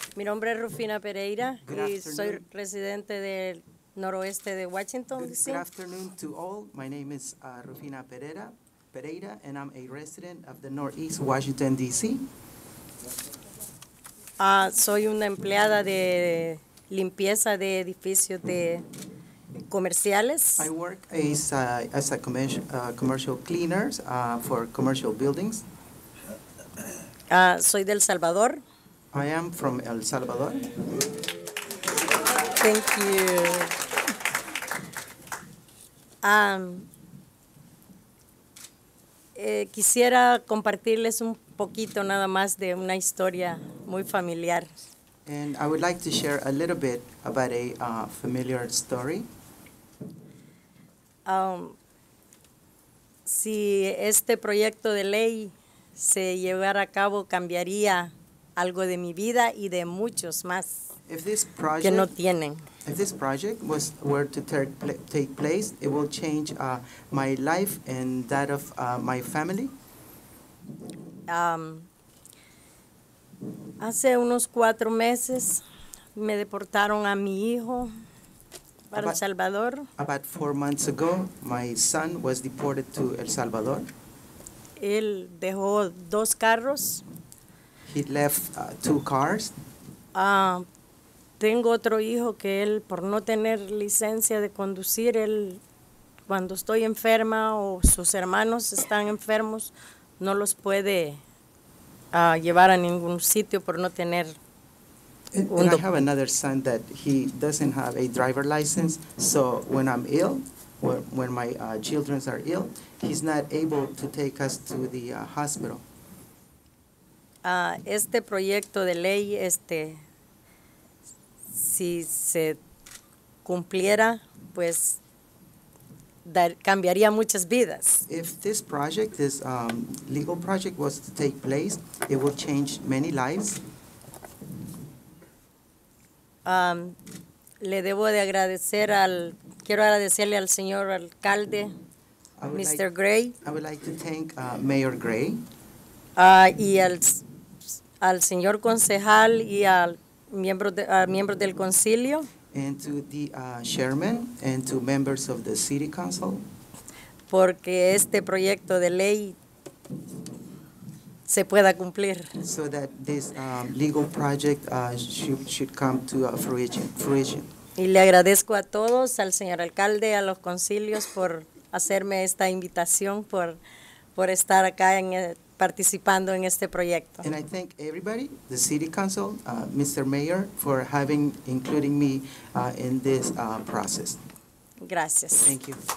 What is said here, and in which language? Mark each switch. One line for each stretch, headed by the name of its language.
Spanish: Mi nombre es Rufina Pereira, y soy residente del Noroeste de Washington, D.C.
English: Good afternoon to all. My name is Rufina Pereira, and I'm a resident of the Northeast Washington, D.C.
Spanish: Soy una empleada de limpieza de edificios de comerciales.
English: I work as a commercial cleaner for commercial buildings.
Spanish: Soy del Salvador.
English: I am from El Salvador. Thank you.
Spanish: Quisiera compartirles un poquito nada más de una historia muy familiar.
English: And I would like to share a little bit about a familiar story.
Spanish: Si este proyecto de ley se llevara a cabo, cambiaría algo de mi vida y de muchos más que no tienen.
English: If this project was were to take place, it will change my life and that of my family.
Spanish: Hace unos 4 meses me deportaron a mi hijo para El Salvador.
English: About 4 months ago, my son was deported to El Salvador.
Spanish: Él dejó dos carros.
English: He left 2 cars.
Spanish: Tengo otro hijo que él, por no tener licencia de conducir, él, cuando estoy enferma o sus hermanos están enfermos, no los puede llevar a ningún sitio por no tener
English: un I have another son that he doesn't have a driver license, so when I'm ill, when my children are ill, he's not able to take us to the hospital.
Spanish: Este proyecto de ley, si se cumpliera, pues cambiaría muchas vidas.
English: If this project, this legal project, was to take place, it would change many lives.
Spanish: Le debo de agradecer al, quiero agradecerle al señor alcalde, Mr. Gray.
English: I would like to thank Mayor Gray.
Spanish: Y al señor concejal y al miembros del concilio.
English: And to the chairman and to members of the city council.
Spanish: Porque este proyecto de ley se pueda cumplir.
English: So that this legal project should come to fruition.
Spanish: Y le agradezco a todos, al señor alcalde, a los concilios, por hacerme esta invitación, por estar acá en el participando en este proyecto.
English: And I thank everybody, the city council, Mr. Mayor, for including me in this process.
Spanish: Gracias.
English: Thank you.